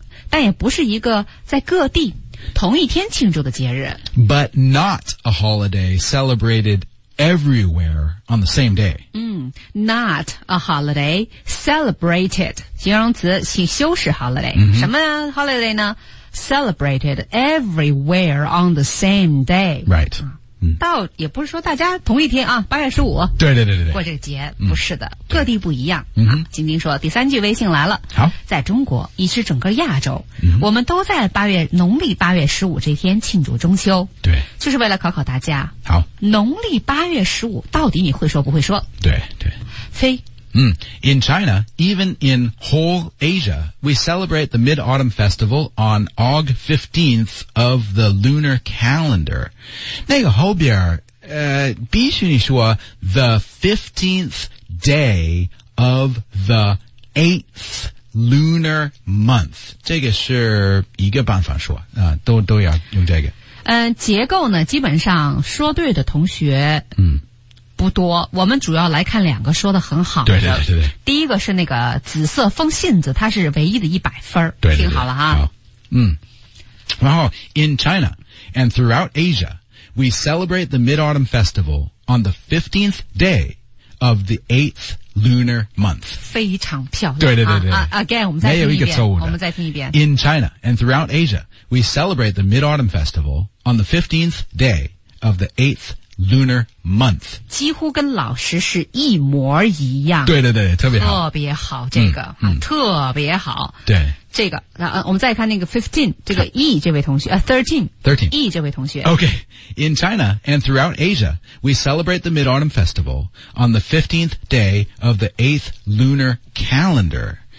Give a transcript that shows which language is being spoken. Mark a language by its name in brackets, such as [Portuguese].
[Chinese] 但也不是一个在各地同一天庆祝的节日。 [English] But not a holiday celebrated everywhere on the same day. Not a holiday celebrated. [Chinese] 形容词请修饰 [English] holiday.、 [Chinese] 什么 [English] holiday 呢 celebrated everywhere on the same day. Right. [Chinese] 倒也不是说大家同一天啊 ,8 月15。对。过这个节不是的各地不一样。晶晶说第三句微信来了。好。在中国以至整个亚洲我们都在农历8月15这天庆祝中秋。对。就是为了考考大家。好。农历8月15到底你会说不会说对。非。 [English] In China, even in whole Asia, we celebrate the Mid-Autumn Festival on Aug 15th of the lunar calendar. [Chinese] 那个后边必须你说 [English] the 15th day of the 8th lunar month. [Chinese] 这个是一个办法说都要用这个。结构呢基本上说对的同学不多，我们主要来看两个说得很好的。对。第一个是那个紫色风信子，它是唯一的100分。对。听好了哈。然后 [English] ,in China and throughout Asia, we celebrate the Mid-Autumn Festival on the 15th day of the 8th lunar month. [Chinese] 非常漂亮。对。 [English] Again, [Chinese] 我们再听一遍。没有一个错误的。我们再听一遍。 [English] In China and throughout Asia, we celebrate the Mid-Autumn Festival on the 15th day of the 8th lunar month. [Chinese] 几乎跟老师是一模一样。对特别好。特别好这个。特别好。对。这个我们再看那个 15, 这个 E 这位同学 [English] 13. [Chinese] E 这位同学。 [English] Okay. In China and throughout Asia, we celebrate the Mid-Autumn Festival on the 15th day of the 8th lunar calendar.